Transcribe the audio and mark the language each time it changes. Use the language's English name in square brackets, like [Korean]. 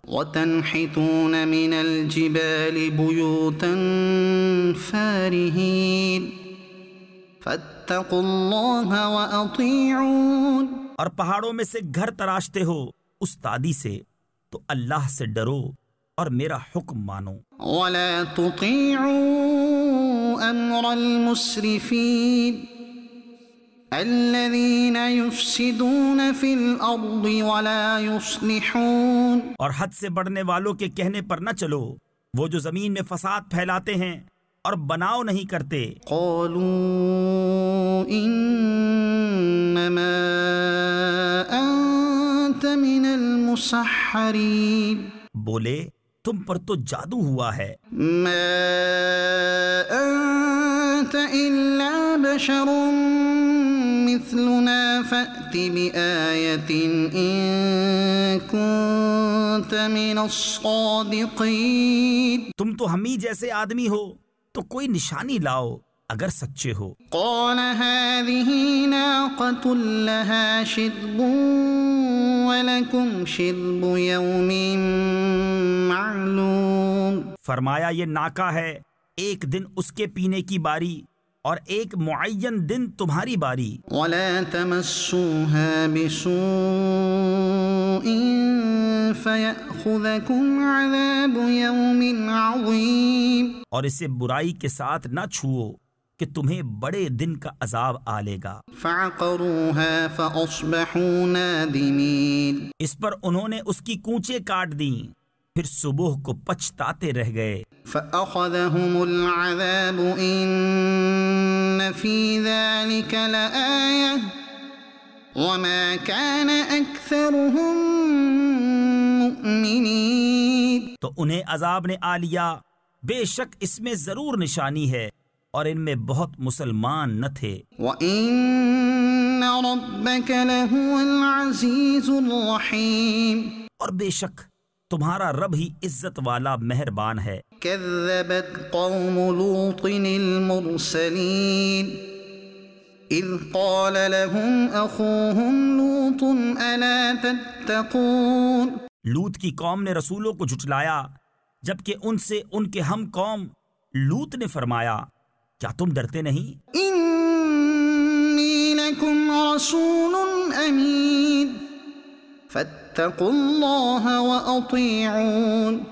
[Arabic] وتنحتون من الجبال بیوتا فارہین فاتقوا اللہ واطیعون. [Urdu] اور پہاڑوں میں سے گھر تراشتے ہو استادی سے، تو اللہ سے ڈرو اور میرا حکم مانو. [Arabic] ولا تطيعوا امر المسرفين الذين يفسدون في الارض ولا يصلحون. [Urdu] اور حد سے بڑھنے والوں کے کہنے پر نہ چلو، وہ جو زمین میں فساد پھیلاتے ہیں اور بناؤ نہیں کرتے. [Arabic] قالوا انما انت من المسحرين. [Urdu] بولے، تم پر تو جادو ہوا ہے. [Arabic] ما انت الا بشر مثلنا فأت بآية ان كنت من الصادقين. [Urdu] تم تو ہم ہی جیسے آدمی ہو، تو کوئی نشانی لاؤ اگر سچے ہو. [Arabic] قال هذه ناقة لها شرب ولكم شرب يوم معلوم. [Urdu] فرمایا، یہ ناکہ ہے، ایک دن اس کے پینے کی باری اور ایک معین دن تمہاری باری. [Arabic] ولا تمسوها بسوء فيأخذكم عذاب يوم عظيم. [Urdu] اور اسے برائی کے ساتھ نہ چھوو کہ تمہیں بڑے دن کا عذاب آ لے گا. [Arabic] فعقروها فأصبحوا نادمين. [Urdu] اس پر انہوں نے اس کی کونچے کاٹ دیں، پھر صبح کو پچھتاتے رہ گئے. [Arabic] فَأَخَذَهُمُ الْعَذَابُ إِنَّ فِي ذَلِكَ لَآيَةً وَمَا كَانَ أَكْثَرُهُم مُؤْمِنِينَ. [Urdu] تو انہیں عذاب نے آ لیا، بے شک اس میں ضرور نشانی ہے اور ان میں بہت مسلمان نہ تھے. [Arabic] وَإِنَّ رَبَّكَ لَهُوَ الْعَزِيزُ الرَّحِيمُ. [Urdu] اور بے شک تمہارا رب ہی عزت والا مہربان ہے. [Arabic] كذبت قوم لوط المرسلين اذ قال لهم اخوهم لوط الا تتقون. [Urdu] لوط کی قوم نے رسولوں کو جھٹلایا جبکہ ان سے ان کے ہم قوم لوط نے فرمایا، کیا تم ڈرتے نہیں؟ [Arabic] انی لکم رسول امین فاتقوا اللہ واطیعون.